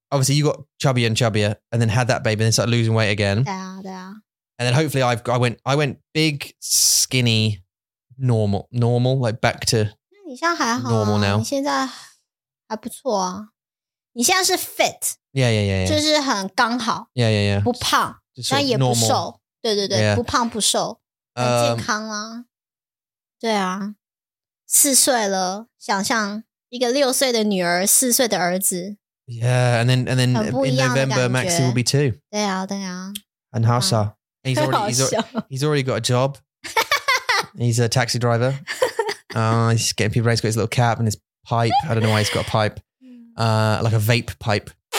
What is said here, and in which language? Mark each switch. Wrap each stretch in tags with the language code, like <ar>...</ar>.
<en>And then you got chubbier and chubbier and then had that baby and then started losing weight again.</en> <zh>对啊。</zh> <en>And then hopefully I went big, skinny, normal, like back to...</en> <zh>你现在还好啊,你现在还不错啊。你现在是 fit.</zh> <en>Yeah.</en> <zh>就是很刚好。</zh> <en>Yeah.</en> <zh>不胖, just 但也不瘦。对对对, yeah. 不胖不瘦, 很健康啊。对啊, 四岁了, 想象一个六岁的女儿, 四岁的儿子。</zh> <en>Yeah, and then in November, Maxie will be two.</en> <zh>对啊。</zh> <en>And Hausa. He's already got a job. He's a taxi driver. He's getting people ready. He's got his little cap and his pipe. I don't know why he's got a pipe. Like a vape pipe.</en>